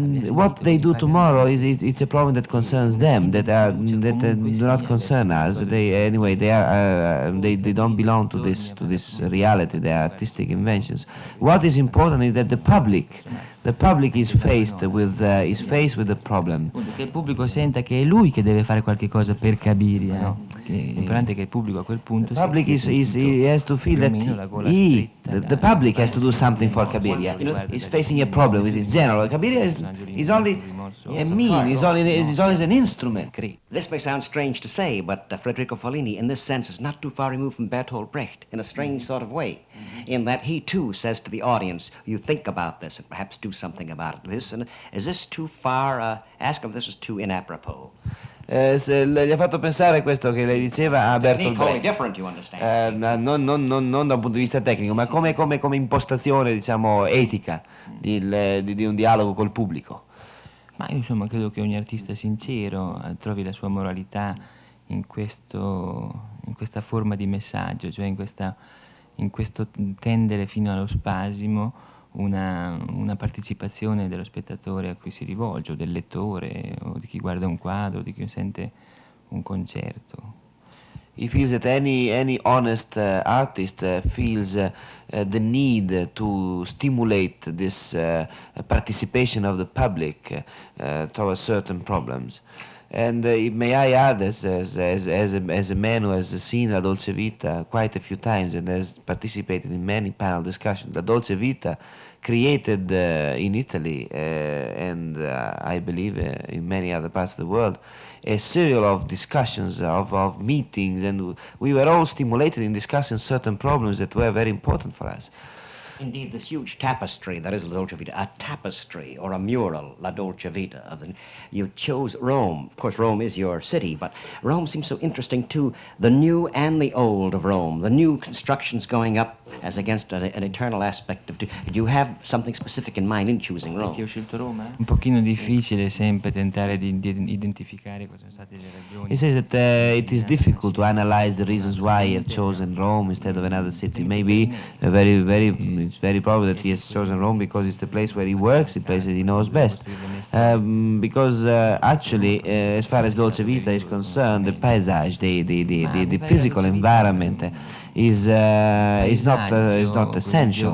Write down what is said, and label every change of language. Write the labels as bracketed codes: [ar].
[en] What they do tomorrow is a problem that concerns them, that do not concern us. They don't belong to this reality. They are artistic inventions. What is important is that the public is faced with the problem. [it] Che il pubblico senta che è lui che deve fare qualche cosa per Kabiria, no? L'importante è che il pubblico a quel punto [en] the public has to do something for Kabiria. He's facing a problem with his general. Kabiria is only a mean, he's only an instrument. This may sound strange to say, but Federico Fellini in this sense is not too far removed from Bertolt Brecht in a strange sort of way, in that he too says to the audience, you think about this and perhaps do something about it. This, and is this too far, ask if this is too inapropos. [it] Gli ha fatto pensare questo che lei diceva a Bertolt Brecht, non dal punto di vista tecnico, ma come impostazione, diciamo, etica di un dialogo col pubblico. Ma io, insomma, credo che ogni artista sincero trovi la sua moralità in questa forma di messaggio, cioè in questo tendere fino allo spasimo una partecipazione dello spettatore a cui si rivolge, o del lettore, o di chi guarda un quadro, di chi sente un concerto. [en] He feels that any honest artist feels the need to stimulate this participation of the public towards certain problems. And may I add, as a man who has seen La Dolce Vita quite a few times and has participated in many panel discussions, La Dolce Vita created in Italy and I believe in many other parts of the world a serial of discussions, of meetings, and we were all stimulated in discussing certain problems that were very important for us. Indeed, this huge tapestry, that is La Dolce Vita, a tapestry or a mural, La Dolce Vita. You chose Rome. Of course, Rome is your city, but Rome seems so interesting too, the new and the old of Rome, the new constructions going up as against an eternal aspect of... Do you have something specific in mind in choosing Rome? [it] Perché ho scelto Roma? Un pochino difficile sempre tentare di identificare quali sono state le ragioni. [en] He says that it is difficult to analyze the reasons why he has chosen Rome instead of another city. Maybe it's very probable that he has chosen Rome because it's the place where he works, the place that he knows best. Because as far as Dolce Vita is concerned, the paesage, the physical environment, is not essential.